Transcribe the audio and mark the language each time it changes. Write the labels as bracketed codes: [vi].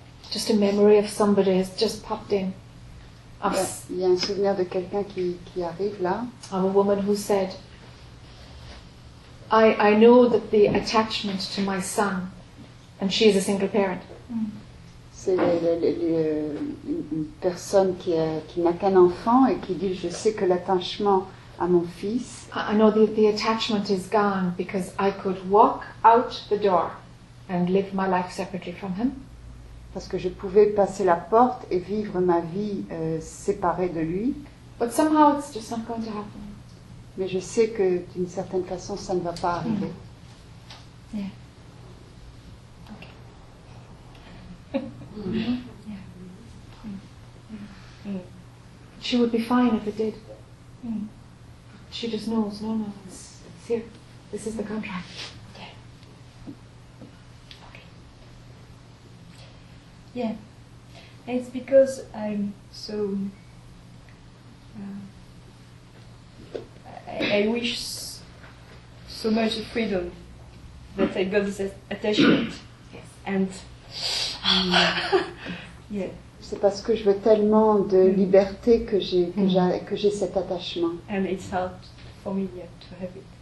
[en] Just a memory of somebody has just popped in. [fr] Il y a un souvenir de quelqu'un qui arrive là. [en] Of a woman who said, "I know that the attachment to my son, and she is a single parent." [fr] C'est une personne qui n'a qu'un enfant et qui dit, je sais que l'attachement à mon fils. [en] I know the attachment is gone because I could walk out the door and live my life separately from him. [fr] Parce que je pouvais passer la porte et vivre ma vie séparée de lui. [en] But somehow it's just not going to happen. [fr] Mais je sais que d'une certaine façon ça ne va pas arriver. [en] Mm. Yeah. Okay. Mm-hmm. Yeah. She would be fine if it did. Mm. She just knows, no, it's here. This is the contract. Yeah. Okay. Yeah. And it's because I'm so... I wish so much of freedom that I got this attachment. Yes. And... Yeah. [fr] C'est parce que je veux tellement de liberté que j'ai cet attachement. [en] And it's hard for me to have it.